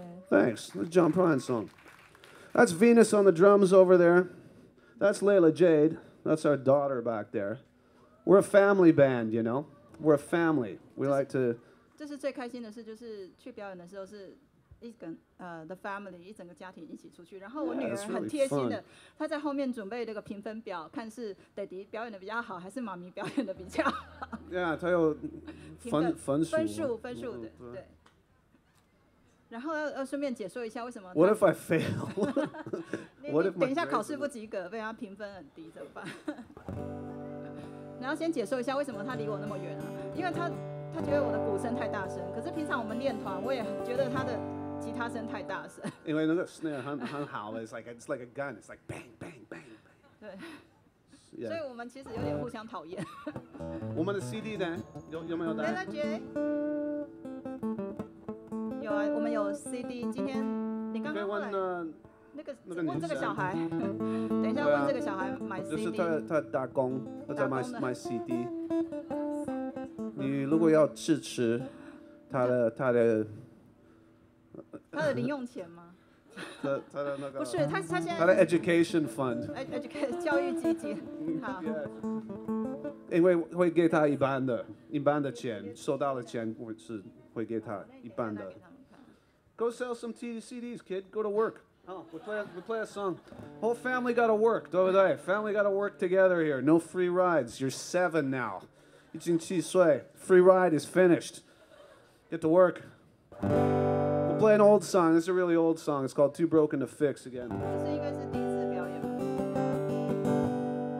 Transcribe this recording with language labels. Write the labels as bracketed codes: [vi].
[en] Thanks. The John Prine song. That's Venus on the drums over there. That's Layla Jade. That's our daughter back there. We're a family band, you know? We're a family. We like to... [zh] 这是最开心的事，就是去表演的时候是一整 [en] the family [zh] 一整个家庭一起出去，然后我女儿很贴心的，她在后面准备这个评分表，看是爹地表演的比较好，还是妈咪表演的比较好。 Yeah, 她有分数的，对。然后要顺便解说一下为什么。 [en] What if I fail? [zh] 你等一下考试不及格，被他评分很低怎么办？然后先解说一下为什么他离我那么远啊？因为他觉得我的鼓声太大声，可是平常我们练团，我也觉得他的吉他声太大声。因为那个 snare 很好 [en] ，it's like a gun, it's like bang bang bang bang。 [zh] 对。Yeah. 所以我们其实有点互相讨厌。我们的 CD 呢？有没有带？没了，姐。有啊，我们有 CD。今天你刚刚过来，那个问这个小孩，等一下问这个小孩买 CD。就是他打工，他在卖 CD。你如果要支持他的零用钱吗？他的那个不是他现在他的 [en] education fund， [zh] 教育基金。好，因为会给他一般的钱，收到的钱我是会给他一般的。 [en] Go sell some CDs, kid. Go to work. Oh, we play a song. Whole family got to work, [zh] 对不对？ [en] Family got to work together here. No free rides. You're 7 now. [zh] 已经七岁。 [en] Free ride is finished. Get to work. We'll play an old song. This is a really old song. It's called Too Broken to Fix again. [zh] 这是应该是第一次表演吗？